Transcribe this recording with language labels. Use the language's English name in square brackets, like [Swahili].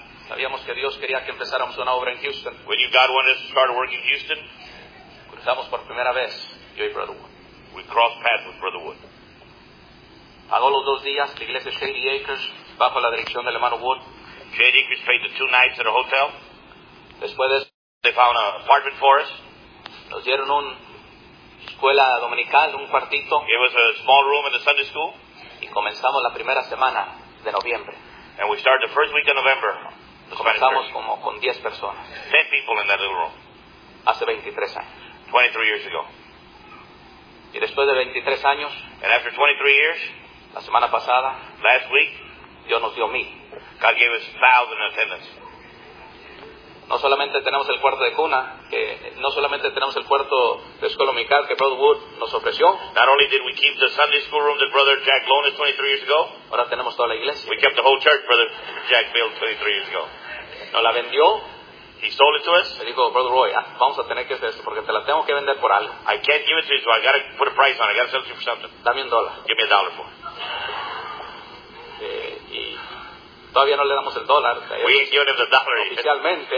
[Spanish] Sabíamos que Dios quería que empezáramos una obra en Houston. [English] We knew God wanted us to start a work in Houston. [Spanish] Cruzamos por primera vez, yo y Brother Wood. [English] We crossed paths with Brother Wood. [Spanish] Pagó los dos días la iglesia Shady Acres bajo la dirección del hermano Wood. [English] Shady Acres paid the two nights at a hotel. [Spanish] Después de eso, [English] they found an apartment for us. [Spanish] Nos dieron una escuela dominical, un cuartito. [English] It was a small room in the Sunday school. [Spanish] Y comenzamos la primera semana de noviembre. [English] And we started the first week of November. [Spanish] Comenzamos como con 10 personas. [English] 10 people in that little room. [Spanish] Hace 23 años. [English] 23 years ago. [Spanish] Y después de 23 años. [English] And after 23 years. [Spanish] La semana pasada. [English] Last week. [Spanish] Dios nos dio 1,000. [English] God gave us 1,000 attendance. [Spanish] No solamente tenemos el cuarto de cuna. No solamente tenemos el cuarto de escuela dominical que Brother Wood nos ofreció. [English] Not only did we keep the Sunday school room that Brother Jack loaned us 23 years ago. [Spanish] Ahora tenemos toda la iglesia. [English] We kept the whole church Brother Jack built 23 years ago. [Spanish] Nos la vendió. [English] He sold it to us. [Spanish] Le dijo, Brother Roy, vamos a tener que hacer esto porque te la tengo que vender por algo. [English] I can't give it to you, so I gotta put a price on it. I gotta sell it to you for something. [Spanish] Dame un dólar. [English] Give me a dollar for it. [Spanish] Todavía no le damos el dólar. [English] We ain't given him the dollar [Spanish] oficialmente.